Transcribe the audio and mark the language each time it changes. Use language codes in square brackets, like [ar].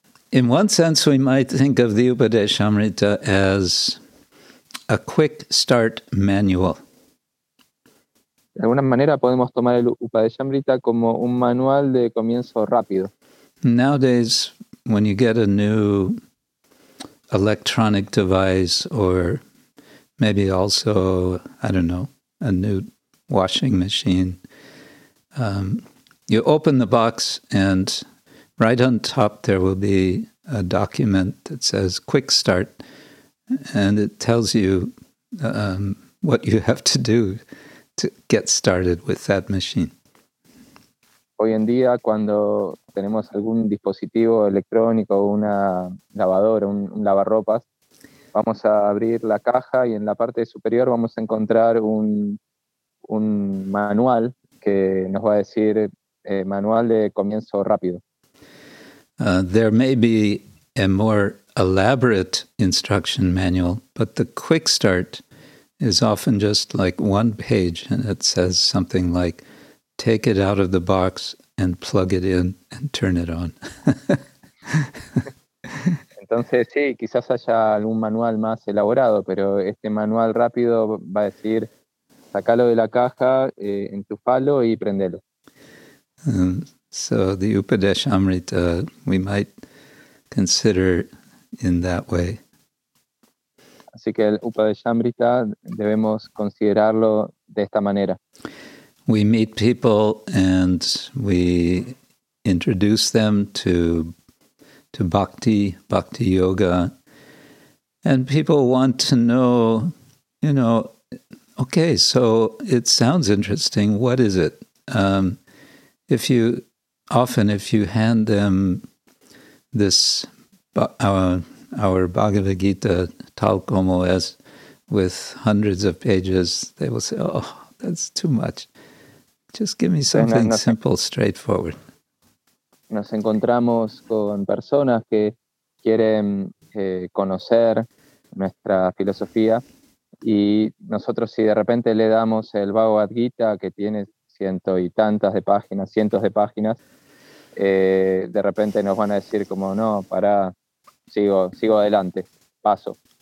[en] In one sense, we might think of the Upadeshamrita as a quick start manual. [es] De alguna manera podemos tomar el Upadeshamrita como un manual de comienzo rápido. [en] Nowadays, when you get a new electronic device or maybe also, I don't know, a new washing machine, you open the box and right on top there will be a document that says quick start, and it tells you what you have to do to get started with that machine. [es] Hoy en día, cuando tenemos algún dispositivo electrónico, una lavadora, un lavarropas, vamos a abrir la caja y en la parte superior vamos a encontrar un un manual que nos va a decir manual de comienzo rápido. [en] There may be a more elaborate instruction manual, but the quick start is often just like one page, and it says something like, take it out of the box and plug it in and turn it on. [es] Entonces, sí, quizás haya algún manual más elaborado, pero este manual rápido va a decir, sácalo de la caja, entúfalo y prendelo. [en] So the Upadeshamrita, we might consider in that way. [es] Así que el Upadeshamrita debemos considerarlo de esta manera. [en] We meet people and we introduce them to bhakti, bhakti yoga. And people want to know, you know, okay, so it sounds interesting. What is it? If you hand them this, our Bhagavad Gita, tal como es, with hundreds of pages, they will say, oh, that's too much. Just give me something simple, straightforward. [es] Nos encontramos con personas que quieren conocer nuestra filosofía y nosotros si de repente le damos el Bhagavad Gita que tiene ciento y tantas de páginas, cientos de páginas, de repente nos van a decir como no, pará, sigo adelante, paso.